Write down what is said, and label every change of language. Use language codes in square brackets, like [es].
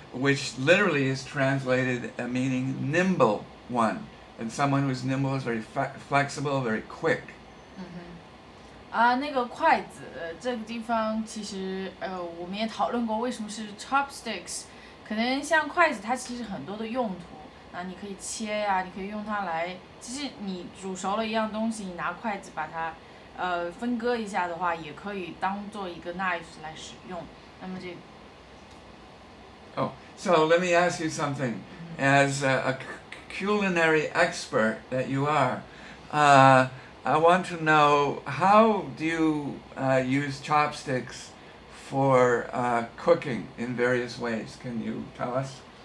[en] Which literally is translated meaning nimble one, and someone who's nimble is very flexible, very quick. [zh] 那个筷子这个地方其实我们也讨论过为什么是 chopsticks， 可能像筷子它其实很多的用途，那你可以切呀，你可以用它来，其实你煮熟了一样东西，你拿筷子把它分割一下的话，也可以当做一个 knife 来使用。那么这个 [en] Oh, so let me ask you something. As a culinary expert that you are, I want to know, how do you use chopsticks for cooking in various ways? Can you tell us?